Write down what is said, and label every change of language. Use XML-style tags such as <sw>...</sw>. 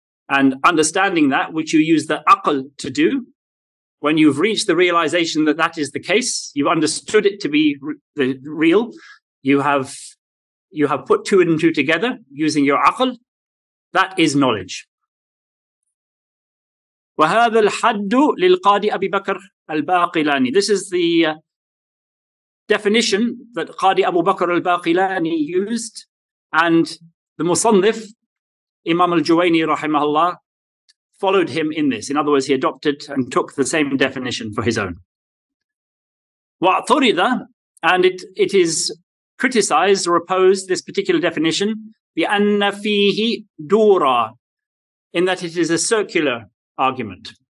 <en>And understanding that, which you use the aql to do, when you've reached the realization that that is the case, you've understood it to be real, you have put two and two together using your aql, that is knowledge.</en> <ar>وهذا الحد للقاضي أبي بكر الباقلاني.</ar> <en>This is the definition that Qadi Abu Bakr al-Baqilani used, and the Musannif, Imam al-Juwayni rahimahullah, followed him in this. In other words, he adopted and took the same definition for his own. وَاعْتُرِضَ, and it is criticized or opposed, this particular definition,</en> <ar>بِأَنَّ فِيهِ دُورًا,</ar> <en>in that it is a circular argument.</en>